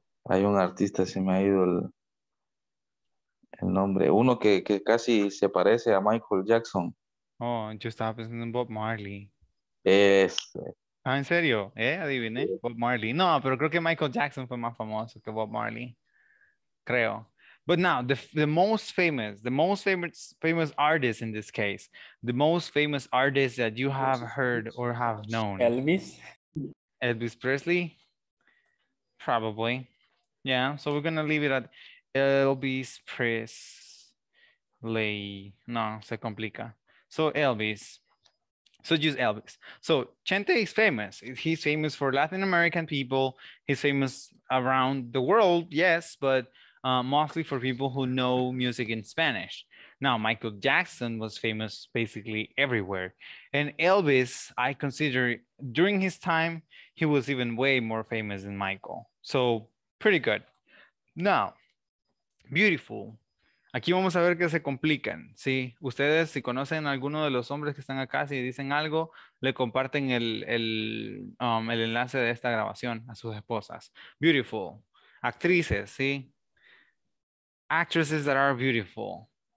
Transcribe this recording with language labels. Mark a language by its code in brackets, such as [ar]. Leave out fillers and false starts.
[es] Hay un artista, se me ha ido el nombre. Uno que casi se parece a Michael Jackson. Oh, yo estaba pensando en Bob Marley. Este. Ah, ¿en serio? Adiviné. Sí. Bob Marley. No, pero creo que Michael Jackson fue más famoso que Bob Marley. Creo. [en] But now, the most famous artist in this case. The most famous artist that you have heard or have known. Elvis Presley? Probably. Yeah, so we're gonna leave it at Elvis Presley. [es] No, se complica. [en] So Elvis. So just Elvis. So Chente is famous. He's famous for Latin American people. He's famous around the world, yes, but mostly for people who know music in Spanish. Now, Michael Jackson was famous basically everywhere. And Elvis, I consider during his time, he was even way more famous than Michael. So pretty good. Now, beautiful. [es] Aquí vamos a ver que se complican, ¿sí? Ustedes, si conocen a alguno de los hombres que están acá, si dicen algo, le comparten el enlace de esta grabación a sus esposas. [en] Beautiful. [es] Actrices, ¿sí? [en] Actresses that are beautiful.